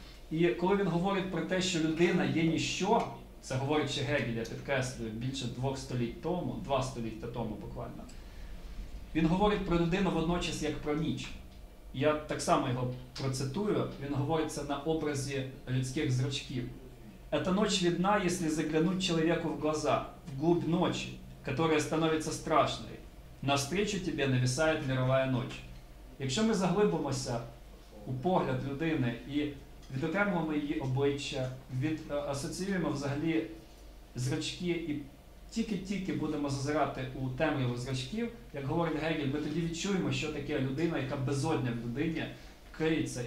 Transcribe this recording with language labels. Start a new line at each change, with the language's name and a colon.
Ukrainian: І коли він говорить про те, що людина є ніщо, це говорить ще Гегель, я підкреслюю, більше двох століть тому, два століття тому буквально, він говорить про людину водночас, як про ніч. Я так само його процитую. Він говорить це на образі людських зрачків.
Russian: «Эта ночь видна, если заглянуть человеку в глаза, в глубь ночи, которая становится страшной. Навстречу тебе нависает мировая ночь».
Ukrainian: Якщо ми заглибимося у погляд людини і відокремлюємо її обличчя, асоціюємо взагалі зрачки і тільки-тільки будемо зазирати у темряву зрачків, як говорить Гегель, ми тоді відчуємо, що таке людина, яка безодня в людині криється.